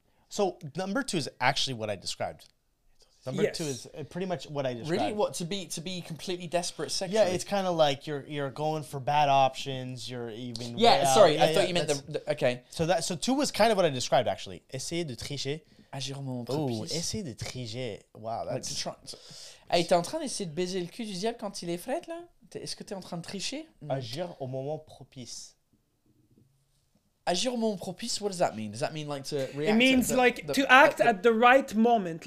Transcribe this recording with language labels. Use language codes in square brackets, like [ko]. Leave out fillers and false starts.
[en] So, number 2 is actually what I described. Number 2 is pretty much what I described. Really? What, to be completely desperate sexually? Yeah, it's kind of like you're going for bad options, okay. So 2 was kind of what I described, actually. [fr] Essayer de tricher. Agir au moment propice. Oh, essayer de tricher. [en] Wow, that's... Like to try. [fr] Hey, t'es en train d'essayer de baiser le cul du diable quand il est fret, là? Est-ce que t'es en train de tricher? Agir au moment propice. Agir au moment propice, [en] what does that mean? Does that mean like to react? It means to act at the right moment.